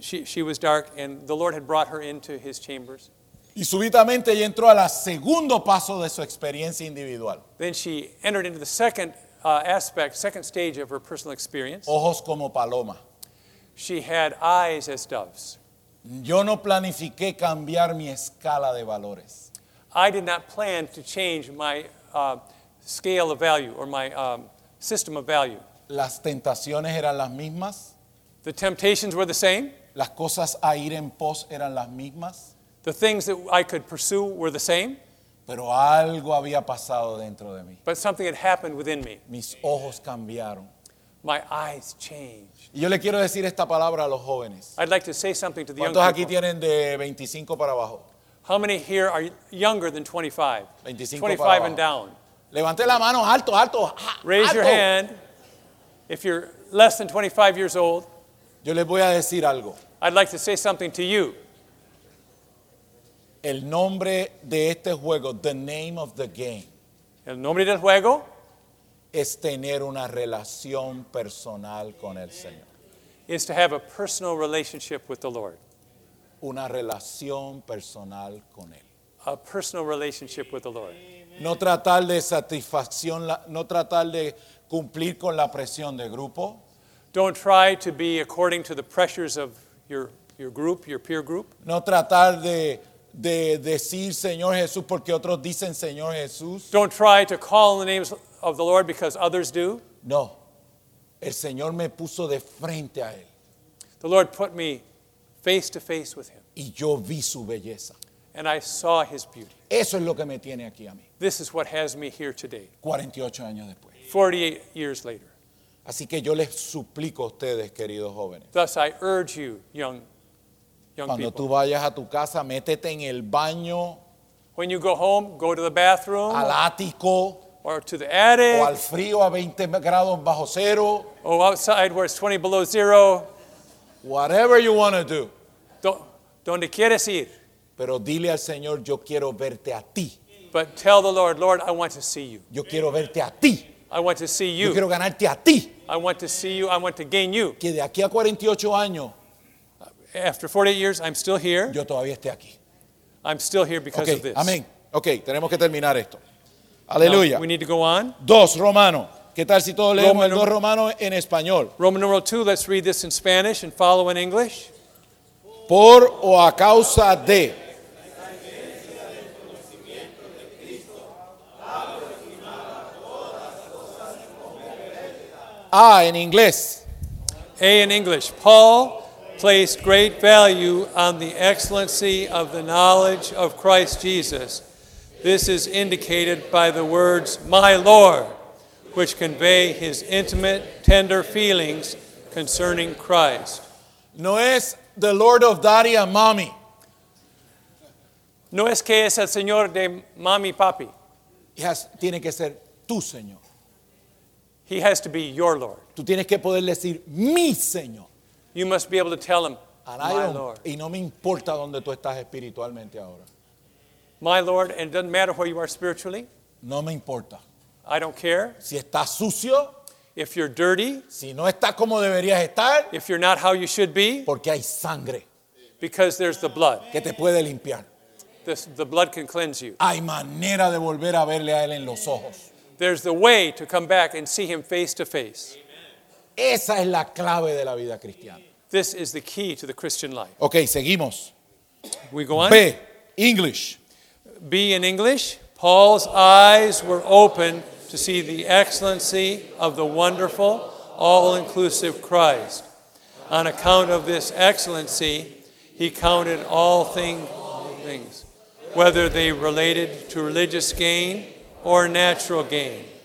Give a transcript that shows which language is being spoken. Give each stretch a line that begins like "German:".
English: She was dark, and the Lord had brought her into His chambers.
Spanish: Y súbitamente ella entró al segundo paso de su experiencia individual.
English: Then she entered into the second second stage of her personal experience.
Spanish: Ojos como paloma.
English: She had eyes as doves.
Spanish: Yo no planifiqué cambiar mi escala de valores.
English: I did not plan to change my scale of value or my system of value.
Spanish: Las tentaciones eran las mismas.
English: The temptations were the same.
Spanish: Las cosas a ir en pos eran las mismas.
English: The things that I could pursue were the same.
Spanish: Pero algo había pasado dentro de mí.
English: But something had happened within me.
Spanish: Mis ojos cambiaron.
English: My eyes changed.
Spanish: Y yo le quiero decir esta palabra a los jóvenes.
English: I'd like to say something to the young people.
Spanish: ¿Cuántos aquí tienen de 25 para abajo?
English: How many here are younger than 25? 25 and down.
Spanish: Levante la mano, alto, alto.
English: Raise your hand if you're less than 25 years old.
Spanish: Yo les voy a decir algo.
English: I'd like to say something to you.
Spanish: El nombre de este juego,
English: the name of the game.
Spanish: El nombre del juego es tener una relación personal con el Señor.
English: Is to have a personal relationship with the Lord.
Spanish: Una relación personal con él.
English: A personal relationship with the Lord.
Spanish: No tratar de satisfacción, no tratar de cumplir con la presión de grupo.
English: Don't try to be according to the pressures of your group, your peer group.
Spanish: No tratar de decir Señor Jesús porque otros dicen Señor Jesús.
English: Don't try to call the names of the Lord because others do.
Spanish: No. El Señor me puso de frente a él.
English: The Lord put me face to face with him.
Spanish: Y yo vi su belleza.
English: And I saw his beauty.
Spanish: Eso es lo que me tiene aquí a mí.
English: This is what has me here today.
Spanish: 48 años después.
English: 48 years later.
Spanish: Así que yo les suplico a ustedes, queridos jóvenes.
English: Thus I urge you, young
Spanish: cuando
English: people.
Spanish: Tú vayas a tu casa, métete en el baño.
English: When you go home, go to the bathroom.
Spanish: Al ático.
English: Or to the attic.
Spanish: O al frío a 20 grados bajo cero.
English: Or outside where it's 20 below zero. Whatever you want to do.
Spanish: Donde quieres ir. Pero dile al Señor, yo quiero verte a ti.
English: But tell the Lord, Lord, I want to see you.
Spanish: Yo quiero verte a ti.
English: I want to see you.
Spanish: Yo quiero ganarte a ti.
English: I want to see you. I want to gain you.
Spanish: Que de aquí a 48 años.
English: After 48 years, I'm still here.
Spanish: Yo todavía estoy aquí.
English: I'm still here because okay, of this.
Spanish: Amén. Okay, tenemos que terminar esto. Aleluya.
English: We need to go on.
Spanish: Dos, Romano. ¿Qué tal si todos leemos el 2 Romano en español?
English: Roman numeral 2, let's read this in Spanish and follow in English.
Spanish: Por o a causa de. A en inglés.
English: A in English. Paul placed great value on the excellency of the knowledge of Christ Jesus. This is indicated by the words, my Lord, which convey his intimate, tender feelings concerning Christ.
Spanish: No es
English: the Lord of Daddy and Mommy.
Spanish: No es que es el Señor de Mami y Papi. Tiene que ser tu Señor.
English: He has to be your Lord.
Spanish: Tú tienes que poder decir mi Señor.
English: You must be able to tell him, my Lord.
Spanish: Y no me importa dónde tú estás espiritualmente ahora.
English: My Lord, and it doesn't matter where you are spiritually.
Spanish: No me importa.
English: I don't care.
Spanish: Si estás sucio.
English: If you're dirty.
Spanish: Si no estás como deberías estar.
English: If you're not how you should be.
Spanish: Porque hay sangre.
English: Because there's the blood.
Spanish: Que te puede limpiar.
English: The blood can cleanse you.
Spanish: Hay manera de volver a verle a él en los ojos.
English: There's the way to come back and see him face to face.
Spanish: Esa es la clave de la vida cristiana.
English: This is the key to the Christian life.
Spanish: Okay, seguimos.
English: We go on. B, English. B in English. Paul's eyes were open to see the excellency of the wonderful, all-inclusive Christ. On account of this excellency, he counted all things, whether they related to religious gain or natural gain.